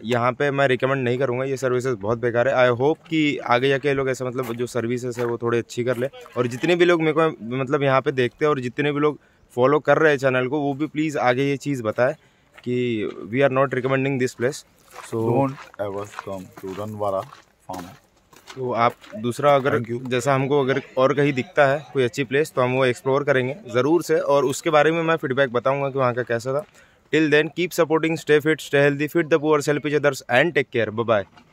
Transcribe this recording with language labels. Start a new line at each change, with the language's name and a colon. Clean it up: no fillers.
Hindi: यहाँ पे. मैं रिकमेंड नहीं करूँगा, ये सर्विसेज बहुत बेकार है.
English: I hope
Hindi: कि आगे जाके लोग ऐसा मतलब जो सर्विसेज है वो थोड़ी अच्छी कर ले. और जितने भी लोग मेरे को मतलब यहाँ पे देखते हैं और जितने भी लोग फॉलो कर रहे हैं चैनल को, वो भी प्लीज़ आगे ये चीज़ बताएं कि
English: We are not recommending this place. So, don't ever come to Ranwara farm.
Hindi: तो आप दूसरा अगर जैसा हमको अगर और कहीं दिखता है कोई अच्छी प्लेस तो हम वो एक्सप्लोर करेंगे ज़रूर से, और उसके बारे में मैं फीडबैक बताऊंगा कि वहाँ का कैसा था.
English: Till then keep supporting, stay fit, stay healthy, fit the poor, help each others and take care. Bye bye.